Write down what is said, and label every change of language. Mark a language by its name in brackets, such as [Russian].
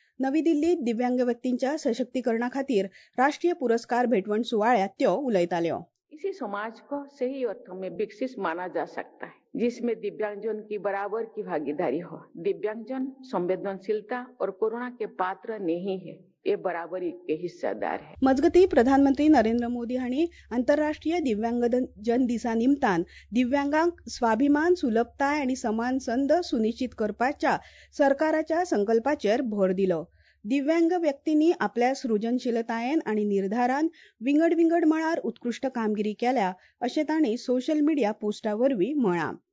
[Goan Konkani] नवी दिल्लींत दिव्यांग व्यक्तींच्या सशक्तीकरणा खातीर राष्ट्रीय पुरस्कार भेटवण सुवाळ्यात त्यो उलयताल्यो। [Hindi] इसी समाज को सही अर्थ में विकसित माना जा सकता है जिसमें दिव्यांगजन की बराबर की भागीदारी हो। दिव्यांगजन संवेदनशीलता और कोरोना के पात्र नहीं है, ये बराबरी के हिस्सेदार है। [Goan Konkani] मजगती प्रधानमंत्री नरेंद्र मोदी हाणी आंतरराष्ट्रीय दिव्यांगजन दिसा निमतान दिव्यांगांक स्वाभिमान, सुलभताय आणि समान संद सुनिश्चित करपाच्या सरकाराच्या संकल्पाचेर भर दिलो। दिव्यांग व्यक्तींनी आपल्या सृजनशीलतायेन आणि निर्धारान विंगड विंगड मळार उत्कृष्ट कामगिरी केल्या असे ताणी सोशल मीडिया पोस्टावरवी म्हळा।